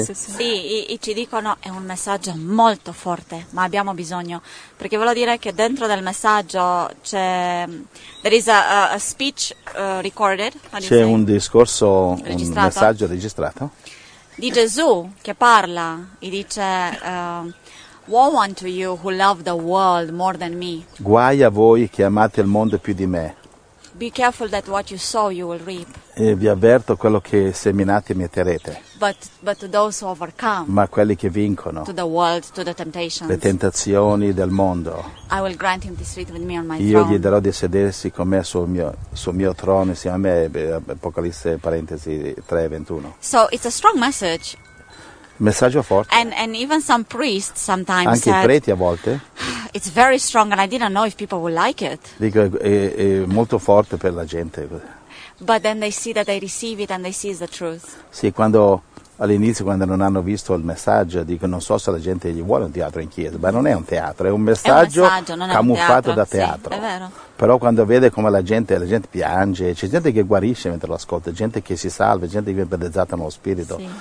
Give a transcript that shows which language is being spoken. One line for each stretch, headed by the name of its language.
Italian: Sì, ci dicono è un messaggio molto forte, ma abbiamo bisogno, perché voglio dire che dentro del messaggio c'è
English: there is a speech recorded,
Italian: c'è un discorso registrato. Un messaggio registrato di Gesù che parla e dice
English: woe unto you who love the world more than me,
Italian: guai a voi che amate il mondo più di me.
English: Be careful that what you sow you will reap.
Italian: E vi avverto quello che seminate metterete.
English: But to those who overcome.
Italian: Ma quelli che vincono.
English: To the world, to the temptations.
Italian: Le tentazioni del mondo.
English: I will grant him to sit with me on my
Italian: io
English: throne.
Italian: Gli darò di sedersi con me sul mio trono insieme a me. Apocalisse parentesi 3:21.
English: So it's a strong message.
Italian: Messaggio forte.
English: And even some priests sometimes.
Italian: Anche
English: said,
Italian: i preti a volte.
English: It's very strong and I didn't know if people would like it.
Italian: Dico, è molto forte per la gente.
English: But then they see that they receive it and they see the truth.
Italian: Sì, quando all'inizio quando non hanno visto il messaggio, dico non so se la gente gli vuole un teatro in chiesa, ma non è un teatro, è un messaggio camuffato da teatro. Sì, è vero. Però quando vede come la gente piange, c'è gente che guarisce mentre lo ascolta, gente che si salva, gente che viene battezzata nello spirito.